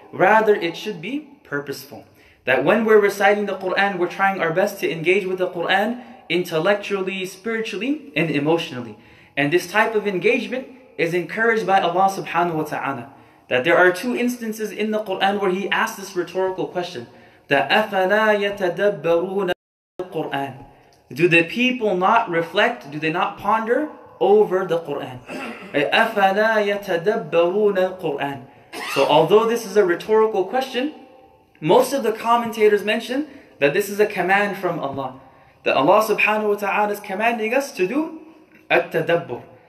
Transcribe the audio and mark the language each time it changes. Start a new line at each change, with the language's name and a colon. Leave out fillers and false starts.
English: Rather, it should be purposeful. That when we're reciting the Qur'an, we're trying our best to engage with the Qur'an intellectually, spiritually, and emotionally. And this type of engagement is encouraged by Allah subhanahu wa ta'ala. That there are two instances in the Qur'an where He asks this rhetorical question.
Arabic: That أَفَلَا يَتَدَبَّرُونَ الْقُرْآنِ.
English: Do the people not reflect, do they not ponder over the Qur'an?
Arabic: أَفَلَا يَتَدَبَّرُونَ الْقُرْآنِ.
English: So although this is a rhetorical question, most of the commentators mention that this is a command from Allah. That Allah subhanahu wa ta'ala is commanding us to do at-tadabbur.